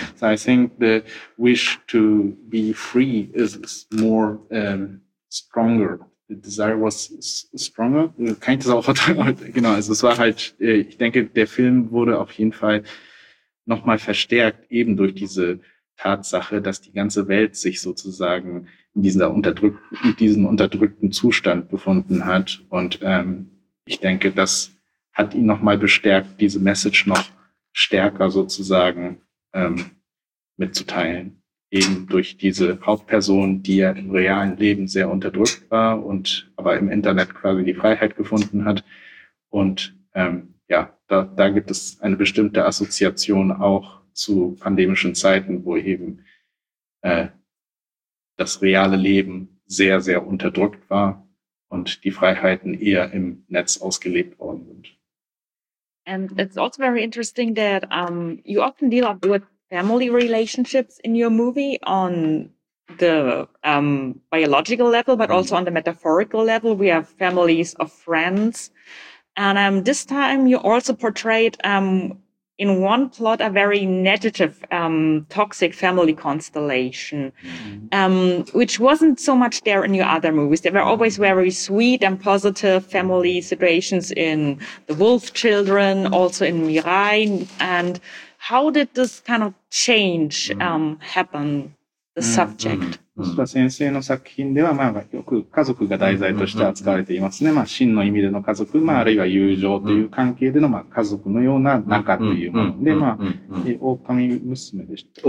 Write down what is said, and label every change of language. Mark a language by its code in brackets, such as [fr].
[en] So I think the wish to be free is more stronger. The desire was stronger. [de] Kann ich das auch verteidigen? Genau, also es war halt, ich denke, der Film wurde auf jeden Fall nochmal verstärkt, eben durch diese Tatsache, dass die ganze Welt sich sozusagen in diesem unterdrückten Zustand befunden hat. Und ich denke, das hat ihn nochmal bestärkt, diese Message noch stärker sozusagen mitzuteilen. Eben durch diese Hauptperson, die ja im realen Leben sehr unterdrückt war und aber im Internet quasi die Freiheit gefunden hat. Und ja, da gibt es eine bestimmte Assoziation auch zu pandemischen Zeiten, wo eben das reale Leben sehr, sehr unterdrückt war und die Freiheiten eher im Netz ausgelebt worden sind. [en] And it's also very interesting that you often deal up with family relationships in your movie on the biological level, but also on the metaphorical level. We have families of friends. And this time you also portrayed in one plot, a very negative, toxic family constellation, which wasn't so much there in your other movies. There were always very sweet and positive family situations in The Wolf Children, also in Mirai. And how did this kind of change happen, the subject? [ja] So, 先生の作品では、まあ、よく家族が題材として扱われていますね。まあ、真の意味での家族、まあ、あるいは友情という関係での、まあ、家族のような仲というもので、まあ、狼娘でした。